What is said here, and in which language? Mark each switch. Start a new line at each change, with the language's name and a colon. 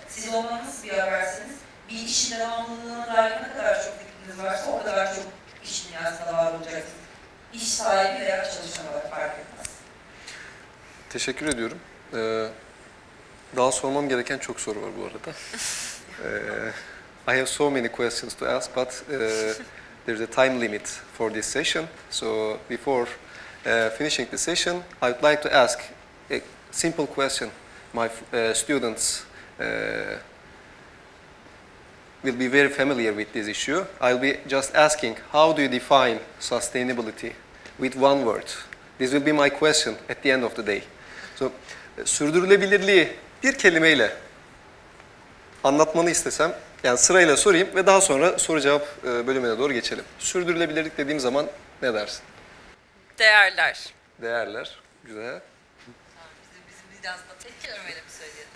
Turkish: Siz olmanız bir haberseniz bir işin devamlılığına dair ne kadar çok fikriniz varsa o kadar çok işin yansına var olacaksınız. İş sahibi veya çalışan olarak fark etmez. Teşekkür ediyorum. Daha sormam gereken çok soru var bu arada.
English: I have so many questions to ask but there's a time limit for this session. So before finishing the session, I would like to ask a simple question. My students will be very familiar with this issue. I'll be just asking, how do you define sustainability with one word? This will be my question at the end of the day.
Turkish: So, sürdürülebilirliği bir kelimeyle anlatmanı istesem, yani sırayla sorayım ve daha sonra soru cevap bölümüne doğru geçelim. Sürdürülebilirlik dediğim zaman ne dersin? Değerler. Değerler. Güzel. Tamam, bizim bir dansla tek kelimeyle mi söyleyelim?